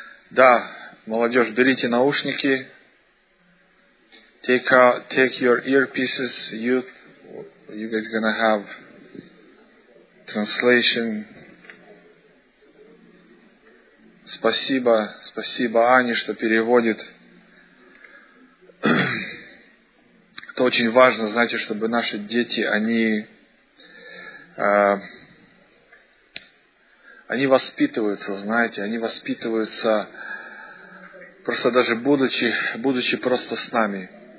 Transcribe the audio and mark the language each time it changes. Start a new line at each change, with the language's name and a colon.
Russian: Да, молодежь, берите наушники.
English: Take your earpieces, youth. You guys gonna have translation.
Russian: Спасибо, спасибо Ане, что переводит. Это очень важно, знаете, чтобы наши дети, они воспитываются, знаете, они воспитываются просто даже будучи просто с нами.